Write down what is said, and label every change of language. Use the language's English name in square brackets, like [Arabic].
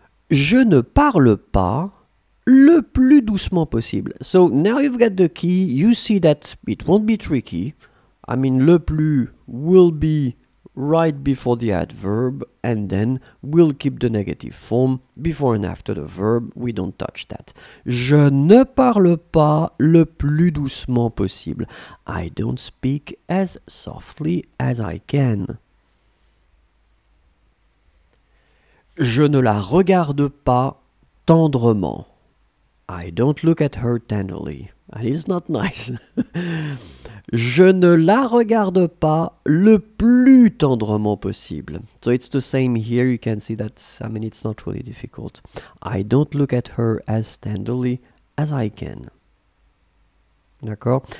[French] Je ne parle pas le plus doucement possible. [English] So now you've got the key, you see that it won't be tricky. Le plus will be right before the adverb and then we'll keep the negative form before and after the verb. We don't touch that. [French] Je ne parle pas le plus doucement possible. [English] I don't speak as softly as I can. [French] Je ne la regarde pas tendrement. [English] I don't look at her tenderly. That is not nice. [French] Je ne la regarde pas le plus tendrement possible. [English] So it's the same here. You can see that, it's not really difficult. I don't look at her as tenderly as I can. D'accord?